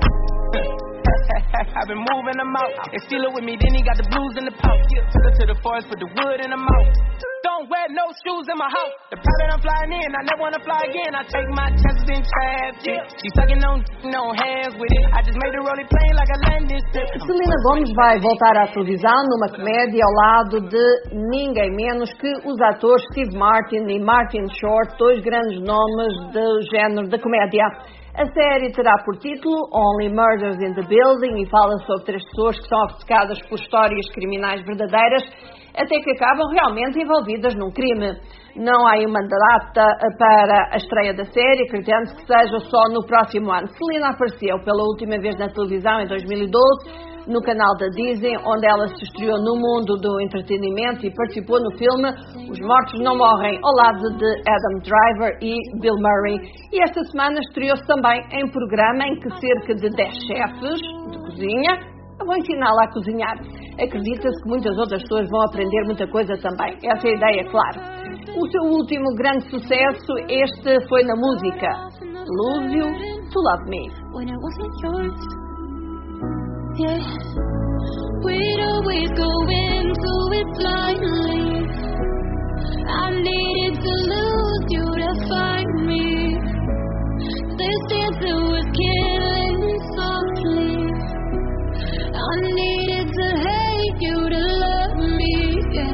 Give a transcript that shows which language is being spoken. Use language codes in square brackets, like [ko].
[en] I've been moving them out. If Steeler with me, then he got the blues in the pouch. Yeah. Took her to the forest, put the wood in the mouth. Don't wear no shoes in my house. The pilot I'm flying in, I never wanna fly again. I take my chances in traffic. She's sucking no hands with it. I just made a rolling plane like a landing strip. [pt] Selena Gomez vai voltar à televisão numa comédia ao lado de ninguém menos que os atores Steve Martin e Martin Short, dois grandes nomes do género da comédia. A série terá por título Only Murders in the Building e fala sobre três pessoas que são obcecadas por histórias criminais verdadeiras até que acabam realmente envolvidas num crime. Não há uma data para a estreia da série, acredito que seja só no próximo ano. Selena apareceu pela última vez na televisão em 2012 no canal da Disney, onde ela se estreou no mundo do entretenimento e participou no filme Os Mortos Não Morrem, ao lado de Adam Driver e Bill Murray. E esta semana estreou-se também em programa em que cerca de 10 chefes de cozinha vão ensiná-la a cozinhar. Acredita-se que muitas outras pessoas vão aprender muita coisa também. Essa é a ideia, claro. O seu último grande sucesso, este foi na música Lose You to Love Me. [en] Yeah, we'd always go into it blindly. I needed to lose you to find me. This dance was killing me softly. I needed to hate you to love me. Yeah.